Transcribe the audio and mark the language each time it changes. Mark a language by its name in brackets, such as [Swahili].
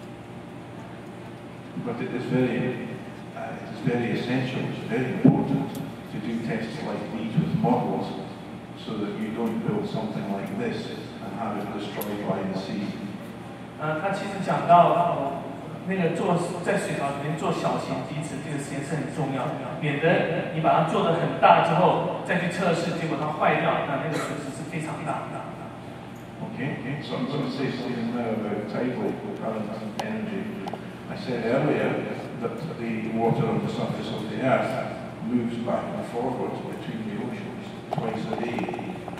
[English] But it is very essential. It's very important to do tests like these with models, so that you don't build something like this and have it destroyed by the sea. [Chinese] 那他其实讲到那个做在水槽里面做小型机池，这个实验是很重要的，免得你把它做得很大之后再去测试，结果它坏掉，那个损失是非常大的。 [English] Okay, so I'm going to say something now about tidal current and energy. I said earlier that the water on the surface of the earth moves back and forward between the oceans twice a day.